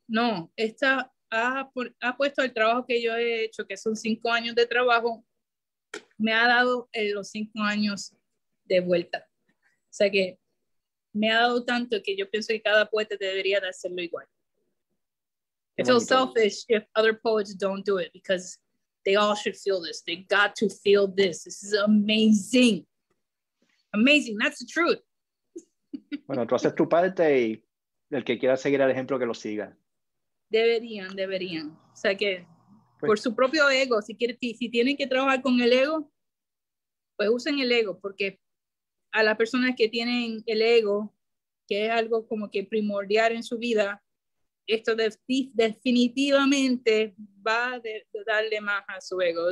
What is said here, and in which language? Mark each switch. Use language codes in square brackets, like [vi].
[es] No, esta ha puesto el trabajo que yo he hecho, que son 5 años de trabajo, me ha dado los 5 años de vuelta. O sea que me ha dado tanto que yo pienso que cada poeta debería de hacerlo igual. [en] It's so selfish if other poets don't do it, because they all should feel this. They got to feel this. This is amazing. Amazing, that's the truth. [es] Bueno, tú haces tu parte y el que quiera seguir el ejemplo que lo siga. Deberían, deberían. O sea que pues, por su propio ego, si quiere, si tienen que trabajar con el ego, pues usen el ego, porque a las personas que tienen el ego, que es algo como que primordial en su vida, esto definitivamente va a darle más a su ego.